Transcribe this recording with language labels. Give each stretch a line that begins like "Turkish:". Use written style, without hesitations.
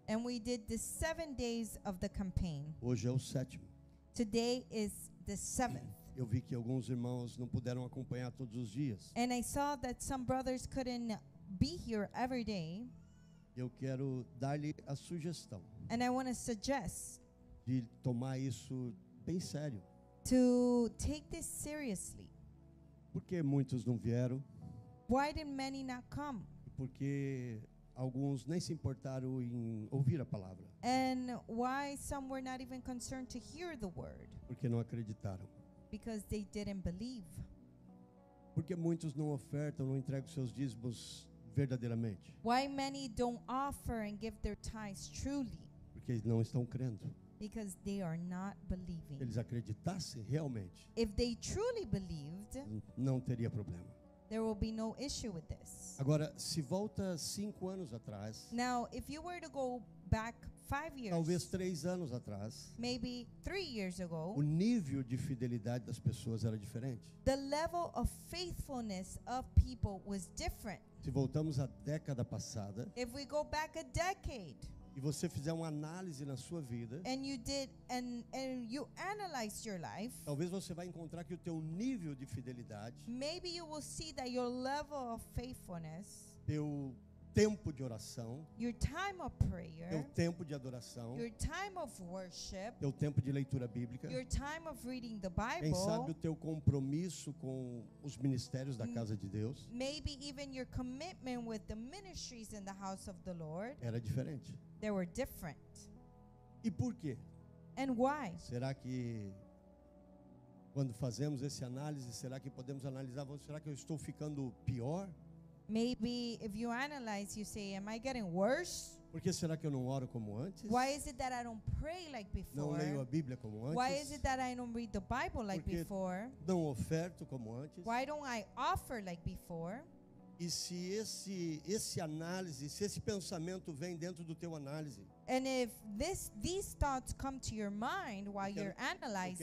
English: And we did the 7 days of the campaign.
Portuguese: Hoje é o sétimo.
English: Today is the 7th.
Portuguese: Eu vi que alguns irmãos não puderam acompanhar todos os dias.
English: And I saw that some brothers couldn't be here every day.
Portuguese: Eu quero dar-lhe a sugestão.
English: And I want to suggest.
Portuguese: De tomar isso bem sério.
English: To take this seriously.
Portuguese: Porque muitos não vieram.
English: Why did many not come?
Portuguese: Porque alguns nem se importaram em ouvir a palavra.
English: And why some were not even concerned to hear the word?
Portuguese: Porque não acreditaram.
English: Because they didn't believe.
Portuguese: Porque muitos não ofertam, não entregam seus dízimos verdadeiramente.
English: Why many don't offer and give their tithes truly?
Portuguese: Porque não estão crendo.
English: Because they are not believing.
Portuguese: Eles acreditassem realmente.
English: If they truly believed,
Portuguese: não teria problema.
English: There will be no issue with this.
Portuguese: Agora, se volta 5 anos atrás.
English: Now, if you were to go back 5 years.
Portuguese: Talvez 3 anos atrás.
English: Maybe 3 years ago.
Portuguese: O nível de fidelidade das pessoas era diferente.
English: The level of faithfulness of people was different.
Portuguese: Se voltamos à década passada.
English: If we go back a decade.
Portuguese: E você fizer uma análise na sua vida.
English: And you did and you analyzed your life.
Portuguese: Talvez você vai encontrar que o teu nível de fidelidade.
English: Maybe you will see that your level of faithfulness.
Portuguese: Teu tempo de oração.
English: Your time of prayer.
Portuguese: Teu tempo de adoração.
English: Your time of worship.
Portuguese: Teu tempo de leitura bíblica.
English: Your time of reading the Bible.
Portuguese: Quem sabe o teu compromisso com os ministérios da casa de Deus.
English: Maybe even your commitment with the ministries in the house of the Lord.
Portuguese: Era diferente.
English: They were different.
Portuguese: E por quê?
English: And why?
Portuguese: Será que quando fazemos esse análise, será que podemos analisar, será que eu estou ficando pior?
English: Maybe if you analyze, you say, am I getting worse?
Portuguese: Por que será que eu não oro como antes?
English: Why is it that I don't pray like before?
Portuguese: Não leio a Bíblia como antes?
English: Why is it that I don't read the Bible like before?
Portuguese: Não oferto como antes?
English: Why don't I offer like before?
Portuguese: E se esse análise, se esse pensamento vem dentro do teu análise?
English: And if these thoughts come to your mind while you're analyzing,